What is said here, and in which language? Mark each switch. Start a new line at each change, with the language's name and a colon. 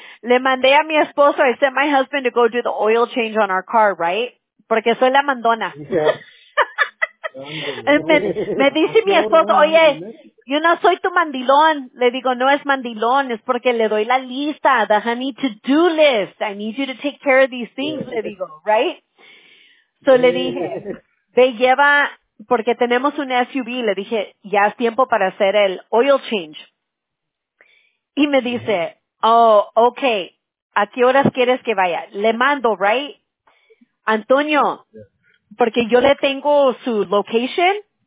Spanish: Le mandé a mi esposo,
English: I sent my husband to go do the oil change on our car, right?
Spanish: Porque soy la mandona. me dice mi esposo, oye, yo no soy tu mandilón. Le digo, no es mandilón, es porque le doy la lista,
English: the honey to-do list. I need you to take care of these things,
Spanish: le digo,
English: right?
Spanish: So le dije, ve, lleva, porque tenemos un SUV, le dije, ya es tiempo para hacer el oil change. Y me dice, oh, okay. ¿A qué horas quieres que vaya? Le mando, right? Antonio, porque yo le tengo su location.